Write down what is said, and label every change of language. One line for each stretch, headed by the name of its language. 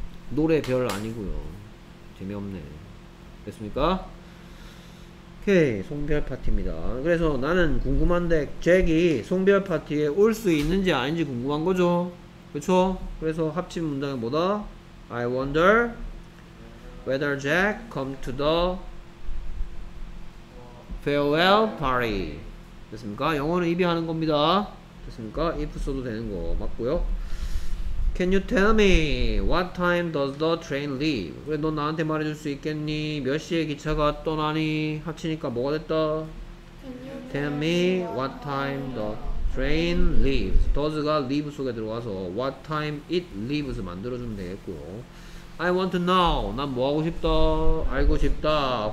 Korean: 노래 별 아니고요. 재미없네. 됐습니까? 오케이, 송별 파티입니다. 그래서 나는 궁금한데 잭이 송별 파티에 올 수 있는지 아닌지 궁금한 거죠. 그렇죠? 그래서 합친 문장은 뭐다?
English: I wonder whether Jack come to the farewell party.
Korean: 됐습니까? 영어는 입이 하는 겁니다. 됐습니까? if 써도 되는 거 맞고요.
English: Can you tell me what time does the train leave?
Korean: 그래, 넌 나한테 말해줄 수 있겠니? 몇 시에 기차가 떠나니? 합치니까 뭐가 됐다?
English: Tell me what time the train leaves. Does가 leave
Korean: 속에 들어가서
English: what time it leaves
Korean: 만들어주면 되겠고.
English: I want to know.
Korean: 난 뭐 하고 싶다? 알고 싶다.